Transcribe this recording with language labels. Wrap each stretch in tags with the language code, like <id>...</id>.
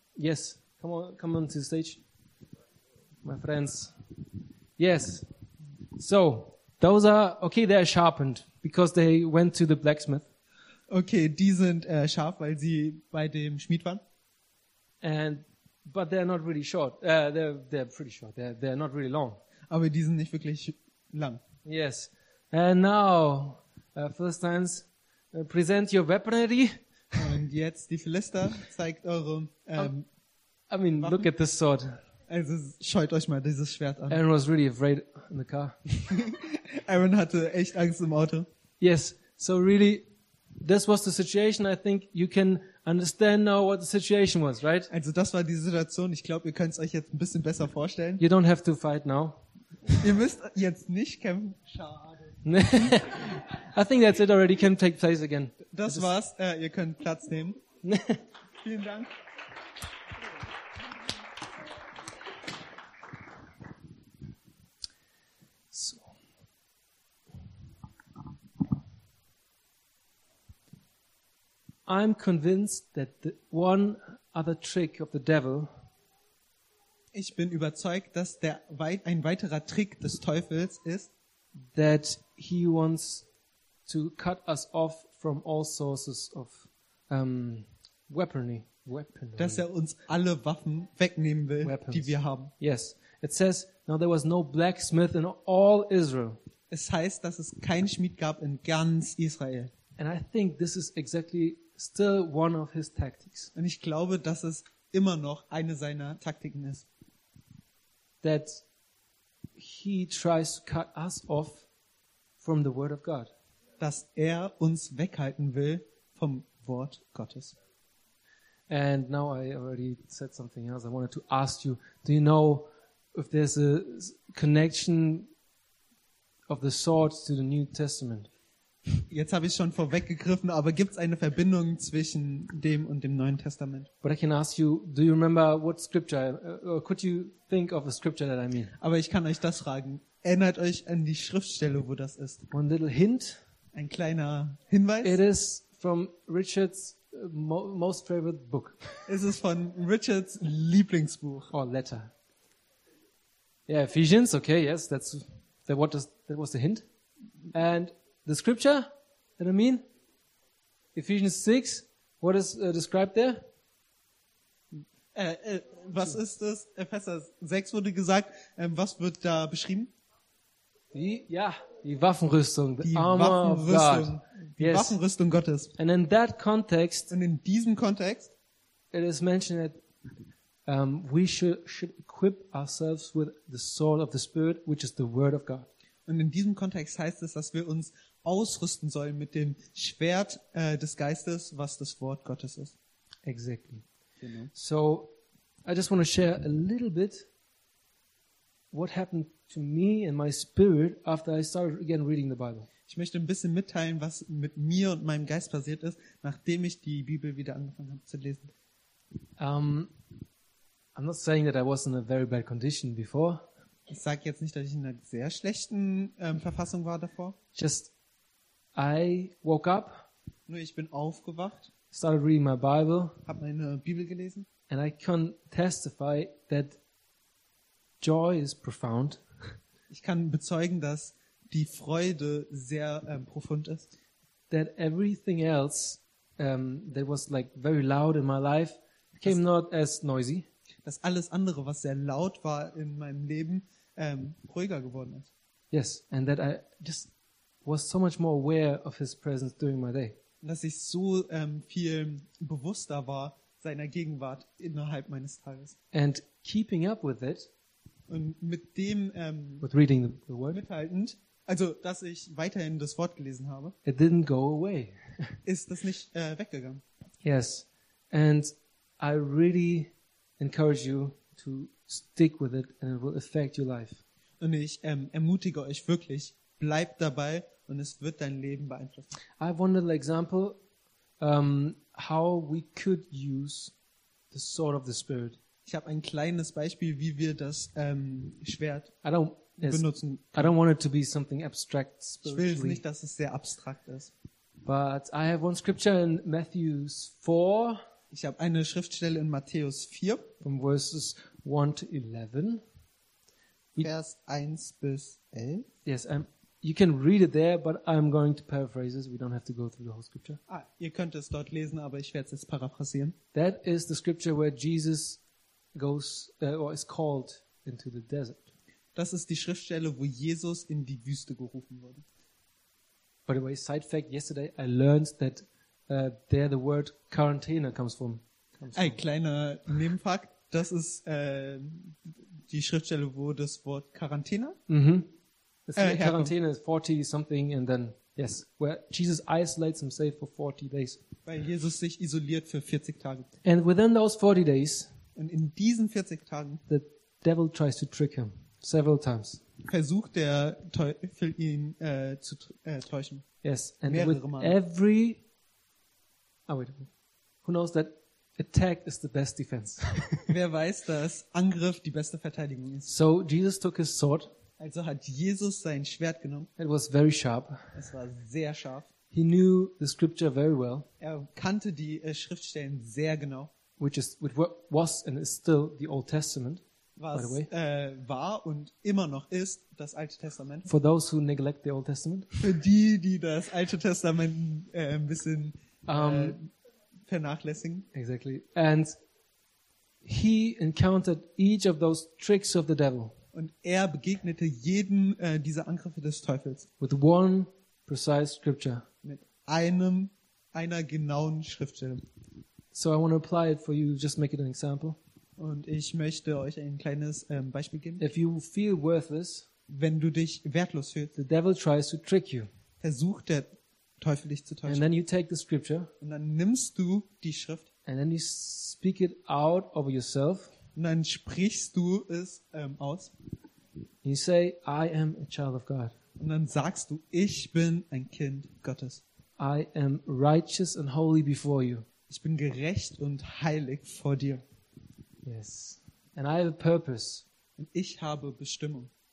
<en>Yes, come on to the stage, my friends. Yes, so, those are, okay, they are sharpened. Because they went to the blacksmith.</en> <de>Okay, die sind scharf, weil sie bei dem Schmied waren.</de> <en>But they're not really short. They're pretty short. They're not really long.</en> <de>Aber die sind nicht wirklich lang.</de> <en>Yes. And now, Philistines, present your weaponry.</en> <de>Und jetzt die Philister, zeigt eure</de> <en>Waffen. Look at this sword.</en> <de>Also schaut euch mal dieses Schwert an.</de> <en>Aaron was really afraid in the car.</en> <de>Aaron hatte echt Angst im Auto.</de> <en>Yes, so really, this was the situation. I think you can understand now what the situation was, right?</en> <de>Also das war die Situation. Ich glaube, ihr könnt es euch jetzt ein bisschen besser vorstellen.</de> <en>You don't have to fight now.</en> <de>Ihr müsst jetzt nicht kämpfen. Schade.</de> <en>I think that's it already. You can take place again.</en> <de>Das war's. Ihr könnt Platz nehmen. Vielen Dank.</de> <en>I'm convinced that the one other trick of the devil.</en> <de>Ich bin überzeugt, dass der ein weiterer Trick des Teufels ist,</de> <en>that he wants to cut us off from all sources of weaponry.</en> <de>Dass er uns alle Waffen wegnehmen will, weapons, die wir haben.</de> <en>Yes, it says now there was no blacksmith in all Israel.</en> <de>Es heißt, dass es keinen Schmied gab in ganz Israel.</de> <en>And I think this is exactly still one of his tactics.</en> <de>Und ich glaube, dass es immer noch eine seiner Taktiken ist.</de> <en>That he tries to cut us off from the word of God.</en> <de>Dass er uns weghalten will vom Wort Gottes.</de> <en>And now I already said something else. I wanted to ask you, do you know if there's a connection of the sword to the New Testament?</en> <de>Jetzt habe ich schon vorweggegriffen, aber gibt's eine Verbindung zwischen dem und dem Neuen Testament?</de> <en>But I can ask you, do you remember what scripture, or could you think of a scripture that I mean?</en> <de>Aber ich kann euch das fragen. Erinnert euch an die Schriftstelle, wo das ist.</de> <en>One little hint.</en> <de>Ein kleiner Hinweis.</de> <en>It is from Richard's most favorite book.</en> <de>Es ist von Richards Lieblingsbuch.</de> <en>Or letter. Yeah, Ephesians, okay, yes, that was the hint. And the scripture that I mean, Ephesians 6, what is described there?</en> <de>Was ist das? Epheser 6 wurde gesagt, was wird da beschrieben? Die Waffenrüstung, Waffenrüstung Gottes.</de> <en>And in that context,</en> <de>und in diesem Kontext,</de> <en>it is mentioned that we should equip ourselves with the sword of the Spirit, which is the word of God.</en> <de>Und in diesem Kontext heißt es, dass wir uns ausrüsten sollen mit dem Schwert des Geistes, was das Wort Gottes ist.</de> <en>Exactly. Genau. So, I just want to share a little bit what happened to me and my spirit after I started again reading the Bible.</en> <de>Ich möchte ein bisschen mitteilen, was mit mir und meinem Geist passiert ist, nachdem ich die Bibel wieder angefangen habe zu lesen.</de> <en>I'm not saying that I was in a very bad condition before.</en> <de>Ich sage jetzt nicht, dass ich in einer sehr schlechten Verfassung war davor.</de> <en>Just I woke up.</en> <de>Nur ich bin aufgewacht.</de> <en>Started reading my Bible.</en> <de>Hab meine Bibel gelesen.</de> <en>And I can testify that joy is profound.</en> <de>Ich kann bezeugen, dass die Freude sehr profund ist.</de> <en>That everything else that was like very loud in my life came not as noisy.</en> <de>Dass alles andere, was sehr laut war in meinem Leben, ruhiger geworden ist.</de> <en>Yes, and that I just was so much more aware of his presence during my day.</en> <de>Dass ich so viel bewusster war seiner Gegenwart innerhalb meines Tages.</de> <en>And keeping up with it,</en> <de>und mit dem</de> <en>with reading the word,</en> <de>mithaltend, also dass ich weiterhin das Wort gelesen habe,</de> <en>it didn't go away.</en> <de>Ist das nicht weggegangen.</de> <en>Yes, and I really encourage you to stick with it and it will affect your life.</en> <de>Und ich ermutige euch wirklich, bleibt dabei und es wird dein Leben beeinflussen.</de> <en>I have one little example how we could use the sword of the Spirit.</en> <de>Ich habe ein kleines Beispiel, wie wir das Schwert benutzen.</de> <en>I don't want it to be something abstract spiritually.</en> <de>Ich will nicht, dass es sehr abstrakt ist.</de> <en>But I have one scripture in Matthew 4.</en> <de>Ich habe eine Schriftstelle in Matthäus 4,</de> <en>from verses 1 to 11.</en> <de>Vers 1 bis 11.</de> <en>Yes, you can read it there, but I'm going to paraphrase it. We don't have to go through the whole scripture.</en> <de>Ah, ihr könnt es dort lesen, aber ich werde es jetzt paraphrasieren.</de> <en>That is the scripture where Jesus goes or is called into the desert.</en> <de>Das ist die Schriftstelle, wo Jesus in die Wüste gerufen wurde.</de> <en>By the way, side fact, yesterday I learned that there the word Quarantäne comes from.</en> <de>Ein kleiner Nebenfakt, das ist die Schriftstelle, wo das Wort Quarantäne Quarantäne ist</de> <en>40 something and then, yes, where Jesus isolates himself for 40 days.</en> <de>Weil Jesus sich isoliert für 40 Tage.</de> <en>And within those 40 days,</en> <de>und in diesen 40 Tagen,</de> <en>the devil tries to trick him several times.</en> <de>Versucht der Teufel ihn zu täuschen.</de> <en>Yes, and with Male. Every oh, wait a minute. Who knows that attack is the best defense?</en> <de>Wer weiß, dass Angriff die beste Verteidigung ist?</de> <en>So Jesus took his sword.</en> <de>Also hat Jesus sein Schwert genommen.</de> <en>It was very sharp.</en> <de>Es war sehr scharf.</de> <en>He knew the scripture very well.</en> <de>Er kannte die Schriftstellen sehr genau.</de> <en>Which was and is still the Old Testament.</en> <de>Was</de> <en>by the way.</en> <de>War und immer noch ist das Alte Testament.</de> <en>For those who neglect the Old Testament.</en> <de>Für die, die das Alte Testament ein bisschen vernachlässigen.</de> <en>Exactly. And he encountered each of those tricks of the devil.</en> <de>Und er begegnete jedem dieser Angriffe des Teufels.</de> <en>With one precise scripture.</en> <de>Mit einer genauen Schriftstelle.</de> <en>So I want to apply it for you, just make it an example.</en> <de>Und ich möchte euch ein kleines Beispiel geben.</de> <en>If you feel worthless,</en> <de>wenn du dich wertlos fühlst,</de> <en>the devil tries to trick you.</en> <de>Versucht der Teufel dich zu täuschen.</de> <en>And then you take the scripture.</en> <de>Und dann nimmst du die Schrift.</de> <en>And then you speak it out over yourself.</en> <de>Und dann sprichst du es aus.</de> <en>You say, I am a child of God.</en> <de>Und dann sagst du, ich bin ein Kind Gottes.</de> <en>I am righteous and holy before you.</en> <de>Ich bin gerecht und heilig vor dir.</de> <en>Yes. And I have a purpose.</en> <de>Und ich habe Bestimmung.</de>